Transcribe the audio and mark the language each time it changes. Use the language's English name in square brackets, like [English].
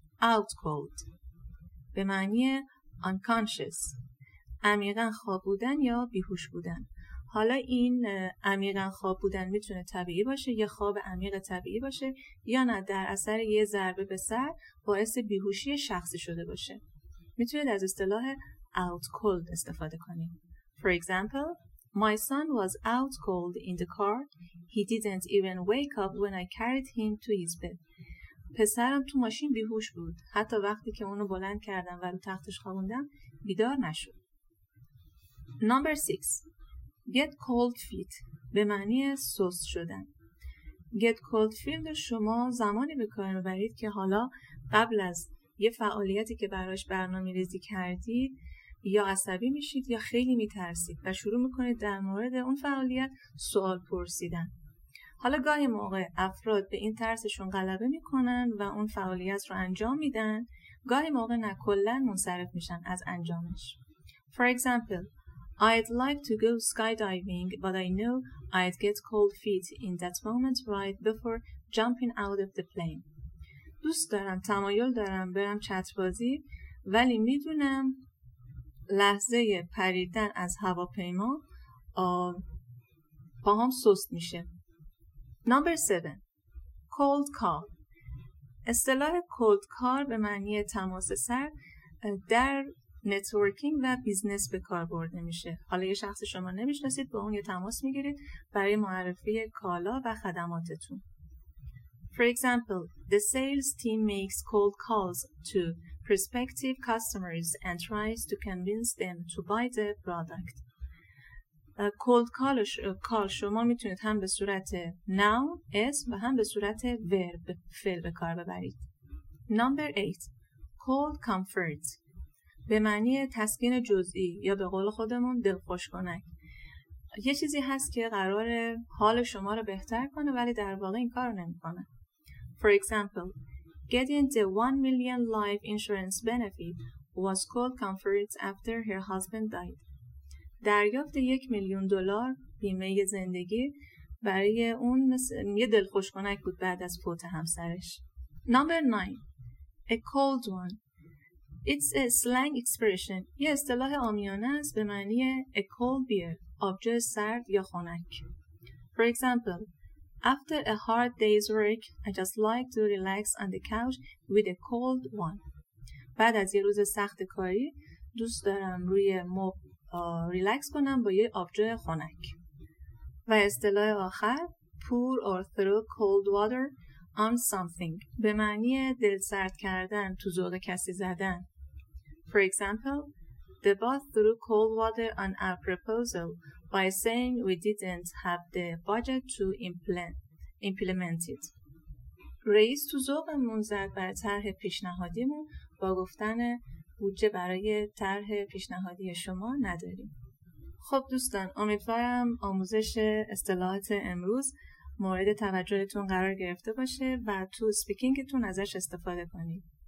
[English] Out cold [Persian] به معنی unconscious، عمیقا خواب بودن یا بیهوش بودن. حالا این عمیقا خواب بودن میتونه طبیعی باشه، یه خواب عمیق طبیعی باشه، یا نه در اثر یه ضربه به سر باعث بیهوشی شخصی شده باشه. میتونید از اصطلاح out cold استفاده کنید. [English] For example, my son was out cold in the car. He didn't even wake up when I carried him to his bed. [Persian] پسرم تو ماشین بیهوش بود، حتی وقتی که اونو بلند کردم و رو تختش خوابوندم بیدار نشد. [English] Number 6. Get cold feet [Persian] به معنی سست شدن. Get cold feet شما زمانی به کار میبرید که حالا قبل از یه فعالیتی که براش برنامه ریزی کردید یا عصبی میشید یا خیلی میترسید و شروع میکنید در مورد اون فعالیت سوال پرسیدن. حالا گاهی موقع افراد به این ترسشون غلبه میکنن و اون فعالیت رو انجام میدن، گاهی موقع نه کلا منصرف میشن از انجامش. [English] For example, I'd like to go skydiving, but I know I'd get cold feet in that moment right before jumping out of the plane. [Persian] دوست دارم، تمایل دارم برم چتر بازی، ولی میدونم لحظه پریدن از هواپیما پاهم سست میشه. [English] Number 7. Cold car. [Persian] اصطلاح cold car به معنی تماس سرد در نتورکینگ و بیزنس به کار برده میشه. حالا یه شخص شما نمیشناسید، با اون یه تماس میگیرید برای معرفی کالا و خدماتتون. [English] For example, the sales team makes cold calls to prospective customers and tries to convince them to buy the product. [Persian] Cold call شما میتونید هم به صورت noun اسم و هم به صورت verb فعل به کار ببرید. [English] Number 8. Cold comfort. [Persian] به معنی تسکین جزئی یا به قول خودمون دلخوش کنک. یه چیزی هست که قرار حال شما رو بهتر کنه ولی در واقع این کار رو نمی کنه. [English] For example, getting the 1 million life insurance benefit was cold comfort after her husband died. [Persian] دریافت 1,000,000 دلار بیمه زندگی برای اون یه دلخوش کنک بود بعد از فوت همسرش. [English] Number 9. A cold one. It's a slang expression. [Persian] یه اصطلاح عامیانه است به معنی [English] a cold beer، [Persian] آبجو سرد یا خنک. [English] For example, after a hard day's work, I just like to relax on the couch with a cold one. [Persian] بعد از یه روز سخت کاری، دوست دارم روی مبل ریلکس کنم با یه آبجو خنک. و اصطلاح آخر [English] pour or throw cold water on something [Persian] به معنی دل سرد کردن، تو ذوق کسی زدن. [English] For example, the boss threw cold water on our proposal by saying we didn't have the budget to implement it. [Persian] رئیس تو ذوقمون زد بر طرح پیشنهادیمون با گفتن بودجه برای طرح پیشنهادی شما نداریم. خب دوستان، امیدوارم آموزش اصطلاحات امروز مورد توجهتون قرار گرفته باشه و تو سپیکینگتون ازش استفاده کنید.